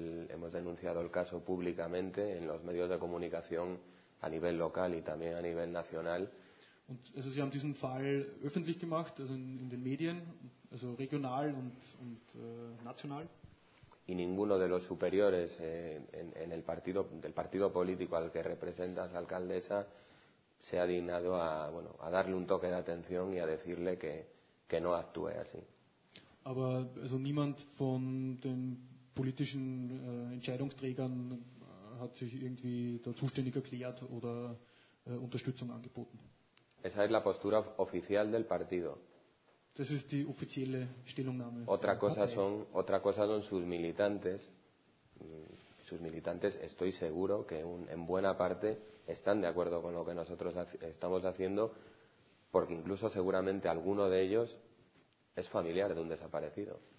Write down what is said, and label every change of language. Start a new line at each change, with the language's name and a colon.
Spanish: Hemos denunciado el caso públicamente en los medios de comunicación a nivel local y también a nivel nacional.
German: Und also Sie haben diesen Fall öffentlich gemacht, also in den Medien, also regional und national.
Spanish: Y ninguno de los superiores en el partido, del partido político al que representas, alcaldesa, se ha dignado a, bueno, a darle un toque de atención y a decirle que no actúe así.
German: Aber also niemand von den politischen Entscheidungsträgern hat sich irgendwie da zuständig erklärt oder Unterstützung angeboten.
Spanish: Esa es la postura oficial del partido.
German: Das ist die offizielle Stellungnahme.
Spanish: Otra cosa son sus militantes, estoy seguro que en buena parte están de acuerdo con lo que nosotros estamos haciendo, porque incluso seguramente alguno de ellos es familiar de un desaparecido.